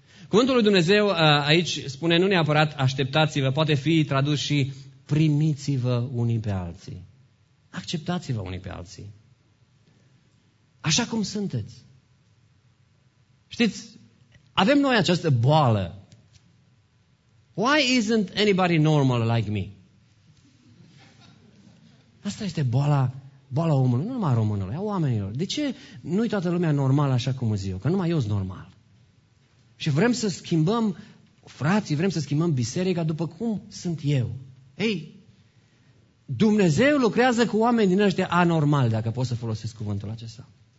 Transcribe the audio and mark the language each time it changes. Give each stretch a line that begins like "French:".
Romanian: Cuvântul lui Dumnezeu aici spune nu neapărat așteptați-vă, poate fi tradus și primiți-vă unii pe alții. Acceptați-vă unii pe alții. Așa cum sunteți. Știți, avem noi această boală.
English: Why isn't anybody normal like me?
Romanian: Asta este boala omului, nu numai a românului, a oamenilor. De ce nu-i toată lumea normală așa cum zic eu? Că numai eu sunt normal. Și vrem să schimbăm frații, vrem să schimbăm biserica după cum sunt eu. Ei, Dumnezeu lucrează cu oameni din ăștia anormali, dacă pot să folosesc cuvântul acesta.